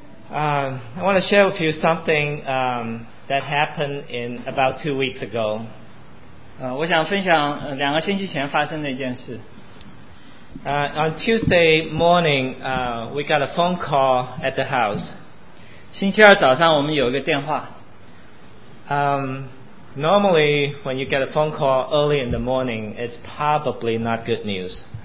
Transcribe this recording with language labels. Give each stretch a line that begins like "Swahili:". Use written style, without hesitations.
English: I want to share with you something that happened in about 2 weeks ago.
Chinese: 我想分享两个星期前发生的一件事。
English: On Tuesday morning, we got a phone call at the house.
Chinese: 星期二早上我们有一个电话。
English: Normally, when you get a phone call early in the morning, it's probably not good news.